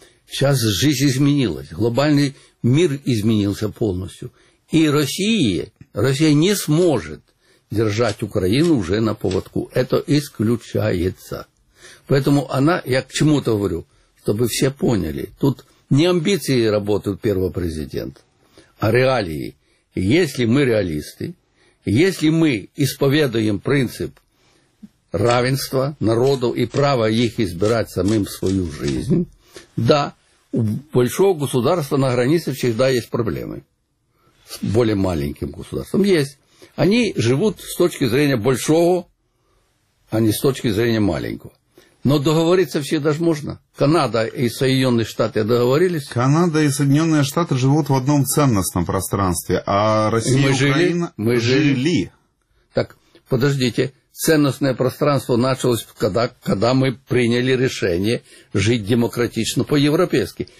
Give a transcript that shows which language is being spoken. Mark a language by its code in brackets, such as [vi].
[ru] Сейчас жизнь изменилась. Глобальный мир изменился полностью. И Россия не сможет держать Украину уже на поводку. Это исключается. Поэтому она, я к чему-то говорю, чтобы все поняли, тут не амбиции работают первого президента, [uk] реалії. Якщо ми реалісти, якщо ми ісповідуємо принцип равенства народу і права їх збирати самим свою життя, да, у великого государства на границі завжди є проблеми. З більш маленьким государством є. Вони живуть з точки зрення большого, а не з точки зрення маленького. [ru] Но договориться все даже можно. Канада и Соединенные Штаты договорились? Канада и Соединенные Штаты живут в одном ценностном пространстве, а Россия и мы Украина жили, мы жили. Так, подождите, ценностное пространство началось, когда мы приняли решение жить демократично по-европейски.